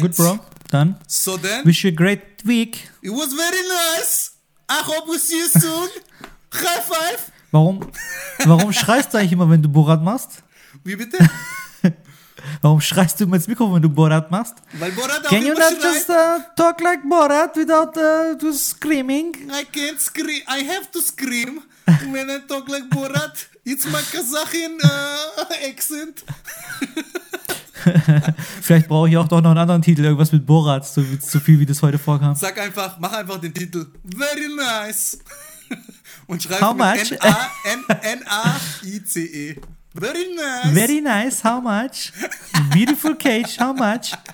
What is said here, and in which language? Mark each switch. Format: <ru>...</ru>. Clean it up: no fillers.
<en>Good, bro.</en> <de>Dann.</de> <en>So then. Wish you a great week. It was very nice. I hope we'll see you soon. High five.</en> <de>Warum schreist du eigentlich immer, wenn du Borat machst? Wie bitte? Warum schreist du immer ins Mikro, wenn du Borat machst? Weil Borat auch</de> <en>can</en> <de>immer schreit.</de> <en>Can you not just talk like Borat without screaming? I can't scream. I have to scream when I talk like Borat. It's my Kazakhian accent.</en> <de>Vielleicht brauche ich auch doch noch einen anderen Titel. Irgendwas mit Borat, so viel wie das heute vorkam. Sag einfach, mach einfach den Titel.</de> <en>Very nice.</en> <de>Und schreib</de> <en>how much? N-A-I-C-E. Very nice. Very nice, how much? Beautiful cage, how much?</en>